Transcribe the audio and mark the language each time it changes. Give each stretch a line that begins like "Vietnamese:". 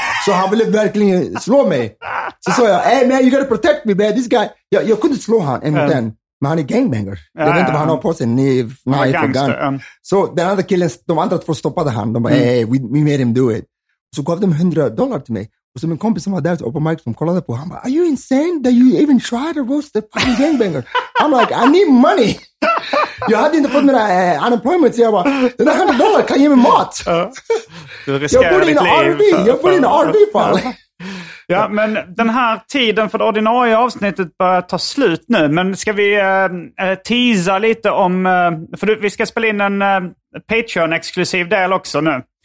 Swedish: Så han ville verkligen slå mig. Så sa jag,
English: hey man, you gotta protect me, man, this guy.
Swedish: Jag kunde slå han en mot en. Men han är gangbanger. Jag vet inte vad han har på sig. Knife och gun. Så den andra killen, de andra två stoppade han. De bara,
English: we made him do it.
Swedish: Så gav de $100 till mig. Och så min kompis som var där, så öppnade mikrofonen och kollade på. Han bara,
English: are you insane that you even tried to roast the fucking gangbanger? I'm like, I need money.
Swedish: Jag hade inte fått mina unemployment. Så jag bara, den där $100 kan ge mig mat. Jag bor i en RV. Jag bor i en RV fall. Ja, men den här tiden för det ordinarie avsnittet börjar ta slut nu. Men ska vi teasa lite om... för vi ska spela in en Patreon-exklusiv del också nu.